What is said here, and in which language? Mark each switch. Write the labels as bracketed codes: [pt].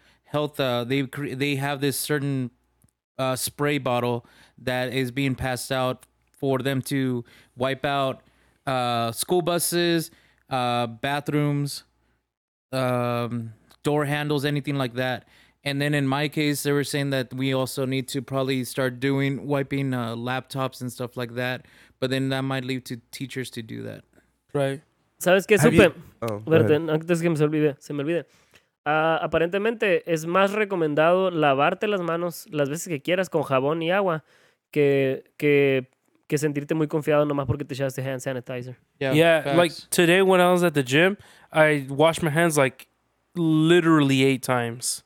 [en] health, they have this certain spray bottle that is being passed out for them to wipe out school buses, bathrooms, door handles, anything like that. And then in my case, they were saying that we also need to probably start wiping laptops and stuff like that. But then that might lead to teachers to do that. Right. [es] ¿Sabes qué supe? Verte, antes que se me olvide. Aparentemente es más recomendado lavarte las manos las veces que quieras con jabón y agua que sentirte muy confiado nomás porque te echaste hand sanitizer. [en] Yeah, like today when I was at the gym, I washed my hands like literally 8 times.